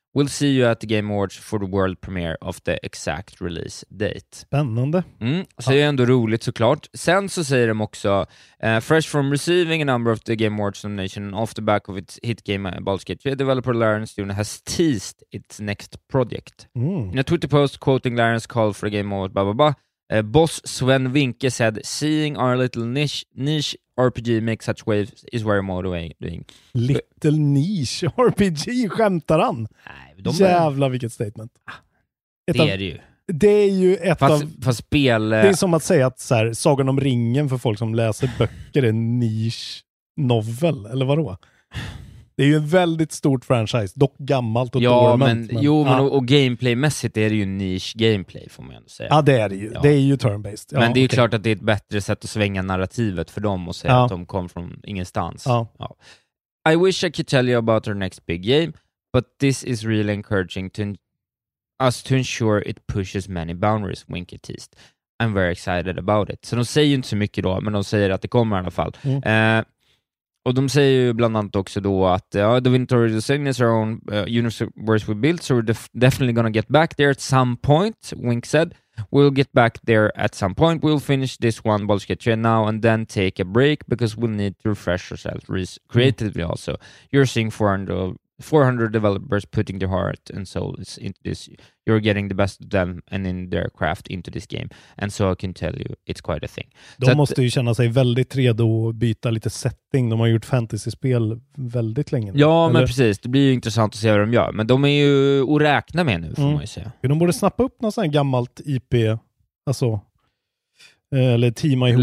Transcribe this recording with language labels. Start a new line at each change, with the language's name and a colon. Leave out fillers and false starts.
English: We'll see you at the Game Awards for the world premiere of the exact release date.
Swedish: Spännande. Mm, så det är ändå roligt, såklart. Sen så säger de också,
English: fresh from receiving a number of the Game Awards nomination off the back of its hit game Baldur's Gate 3, developer Larian Studio has teased its next project. Mm. In a Twitter post quoting Larian's call for a Game Award, blah, blah, blah, boss Sven Winke said, seeing our little niche RPG make such waves is very motivating. Little niche RPG,
Swedish: skämtar han? Nej, jävla vilket statement. Det är det ju. Det är ju ett fast, av... Fast spel... Det är som att säga att så här, Sagan om ringen för folk som läser böcker är en niche novel, eller vadå? Det är ju en väldigt stort franchise, dock gammalt och dormant. Men, och gameplaymässigt är det ju niche gameplay, får man ändå säga. Ja, det är det ju. Ja. Det är ju turn-based. Ja, men det är ju klart att det är ett bättre sätt att svänga narrativet för dem och säga att de kom från ingenstans. Ja.
English: I wish I could tell you about our next big game, but this is really encouraging to us to ensure it pushes many boundaries, Winky teased. I'm very excited about it.
Swedish: Så de säger ju inte så mycket då, men de säger att det kommer i alla fall. Och de säger ju bland annat också då att
English: The Winter of the Sign is our own universe we built, so we're definitely gonna get back there at some point, Wink said. We'll get back there at some point. We'll finish this one, Baldur's Gate 3 now, and then take a break, because we'll need to refresh ourselves creatively also. You're seeing 400 developers putting their heart and souls into this. You're getting the best of them and in their craft into this game. And so I can tell you, it's quite a thing.
Swedish: De måste ju känna sig väldigt redo att byta lite setting. De har gjort fantasy-spel väldigt länge. Ja, eller? Men precis. Det blir ju intressant att se vad de gör. Men de är ju att räkna med nu, får man ju säga. De borde snappa upp någon sån här gammalt IP. Alltså, eller teama ihop